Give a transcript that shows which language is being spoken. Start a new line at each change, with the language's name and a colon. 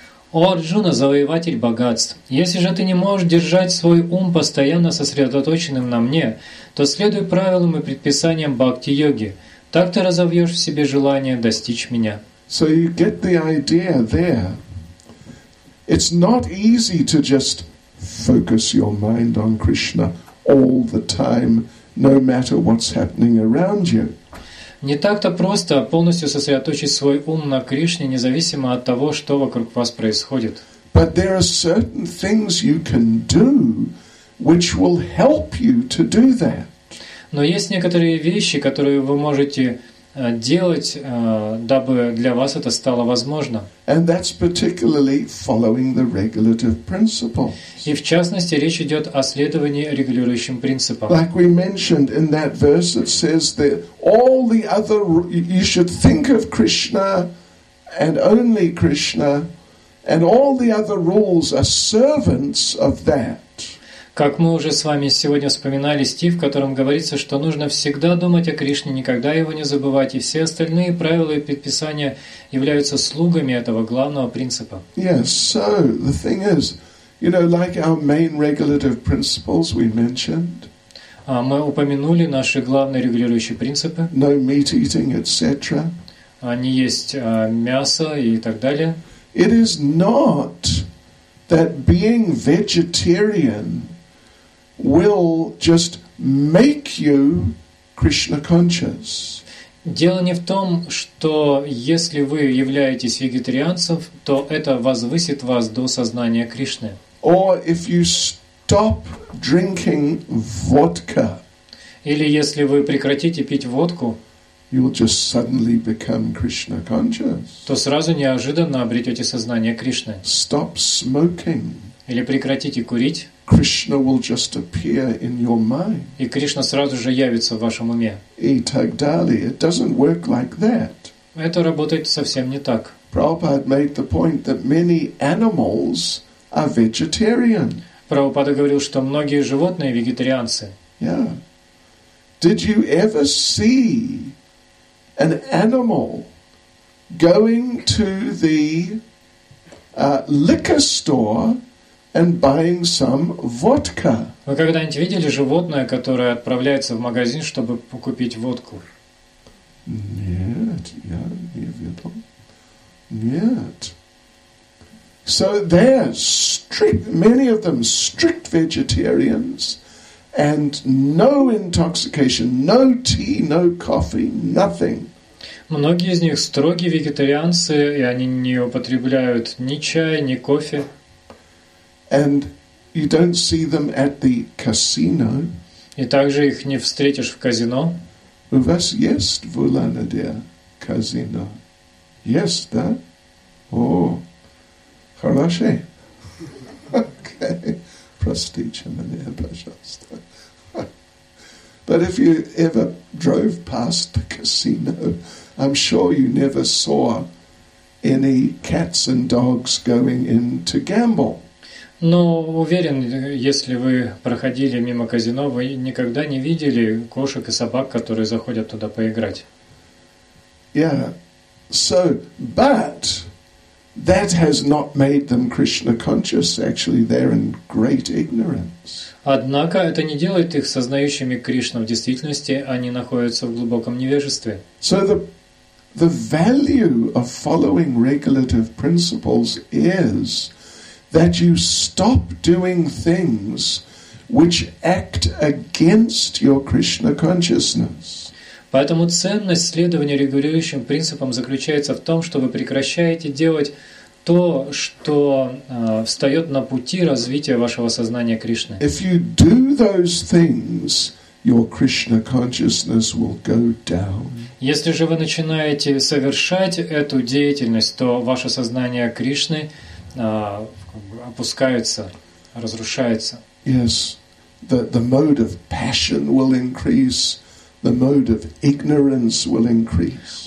Russian: О, Арджуна, завоеватель богатств, если же ты не можешь держать свой ум постоянно сосредоточенным на мне, то следуй правилам и предписаниям бхакти-йоги. Так ты разовьешь в себе желание достичь меня.
English: So you get the idea there. It's not easy to just focus your mind on Krishna all the time, no matter what's happening around you.
Russian: Не так-то просто полностью сосредоточить свой ум на Кришне, независимо от того, что вокруг вас происходит.
English: But there are certain things you can do, which will help you to do that.
Russian: Но есть некоторые вещи, которые вы можете делать, дабы для вас это стало возможно.
English: And that's particularly following the regulative principles.
Russian: И в частности, речь идет о следовании регулирующим принципам.
English: Like we mentioned in that verse, it says that all the other you should think of Krishna and only Krishna, and all the other rules are servants of that.
Russian: Как мы уже с вами сегодня вспоминали стих, в котором говорится, что нужно всегда думать о Кришне, никогда его не забывать, и все остальные правила и предписания являются слугами этого главного принципа.
English: Yes, so the thing is, you know, like our main regulative principles we mentioned.
Russian: Мы упомянули наши главные регулирующие принципы.
English: No meat eating, etc.
Russian: Не есть мясо и так далее.
English: It is not that being vegetarian will just make you Krishna conscious.
Russian: Дело не в том, что если вы являетесь вегетарианцем, то это возвысит вас до сознания Кришны.
English: Or if you stop drinking vodka.
Russian: Или если вы прекратите пить водку,
English: you will just suddenly become Krishna conscious.
Russian: То сразу неожиданно обретете сознание Кришны.
English: Stop smoking.
Russian: Или прекратите курить.
English: Krishna will just appear in your mind.
Russian: И Кришна сразу же явится в вашем уме. И так далее.
English: It doesn't work like that.
Russian: Это работает совсем не так.
English: Prabhupada made the point that many animals are vegetarian.
Russian: Прабхупада говорил, что многие животные вегетарианцы.
English: Yeah. Did you ever see an animal going to the liquor store and buying some vodka?
Russian: Вы когда-нибудь видели животное, которое отправляется в магазин, чтобы купить водку? Нет, я не видел. Нет.
English: So they're strict, many of them strict vegetarians, and no intoxication, no tea, no coffee, nothing.
Russian: Многие из них строгие вегетарианцы, и они не употребляют ни чая, ни кофе.
English: And you don't see them at the casino.
Russian: И также их не встретишь в казино. У вас есть в Улан-Удэ казино? Есть, да? О, хорошо. Окей. Простите меня, пожалуйста.
English: But if you ever drove past the casino, I'm sure you never saw any cats and dogs going in to gamble.
Russian: Но уверен, если вы проходили мимо казино, вы никогда не видели кошек и собак, которые заходят туда поиграть.
English: Yeah. So, but that has not made them Krishna conscious. Actually, they're in great ignorance.
Russian: Однако это не делает их сознающими Кришну. В действительности они находятся в глубоком невежестве.
English: So the value of following regulative principles is that you stop doing things which act against your Krishna consciousness.
Russian: Поэтому ценность следования регулирующим принципам заключается в том, что вы прекращаете делать то, что встает на пути развития вашего сознания Кришны.
English: If you do those things, your Krishna consciousness will go down.
Russian: Если же вы начинаете совершать эту деятельность, то ваше сознание Кришны опускается, разрушается.
English: Yes, the mode of passion will increase. The mode of ignorance will increase.